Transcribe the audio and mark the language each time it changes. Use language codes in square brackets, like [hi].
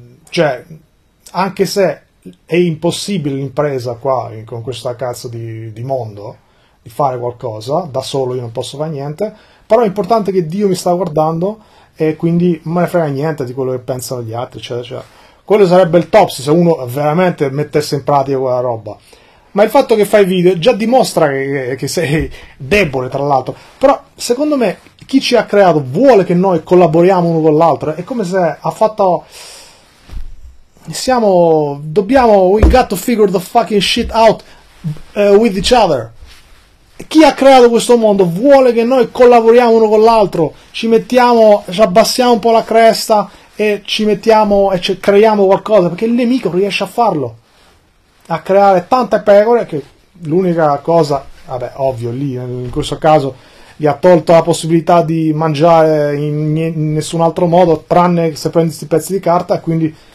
[it] cioè, anche se è impossibile l'impresa qua con questa cazzo di mondo di fare qualcosa da solo, io non posso fare niente, però è importante che Dio mi sta guardando e quindi me ne frega niente di quello che pensano gli altri, eccetera, eccetera. Quello sarebbe il top se uno veramente mettesse in pratica quella roba, ma il fatto che fai video già dimostra che sei debole, tra l'altro. Però secondo me chi ci ha creato vuole che noi collaboriamo uno con l'altro, è come se ha fatto. Dobbiamo, [en] we got to figure the fucking shit out with each other. [it] Chi ha creato questo mondo vuole che noi collaboriamo uno con l'altro, ci abbassiamo un po' la cresta e ci mettiamo e ci creiamo qualcosa, perché il nemico riesce a farlo, a creare tante pecore, che l'unica cosa, vabbè, ovvio, lì in questo caso gli ha tolto la possibilità di mangiare in nessun altro modo, tranne se prendi questi pezzi di carta, quindi.